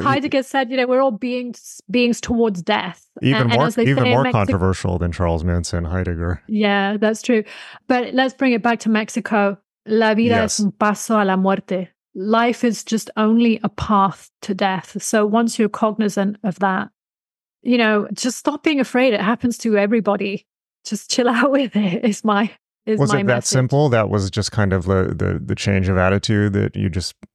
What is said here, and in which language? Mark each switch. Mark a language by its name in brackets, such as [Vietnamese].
[English] as Heidegger said, you know, we're all beings towards death. Controversial than Charles Manson, Heidegger. Yeah, that's true. But let's bring it back to Mexico. [Spanish] La vida es un paso a la muerte. [English] Life is just only a path to death. So once you're cognizant of that, you know, just stop being afraid. It happens to everybody. Just chill out with it. Was it that simple? That was just kind of the change of attitude that you just...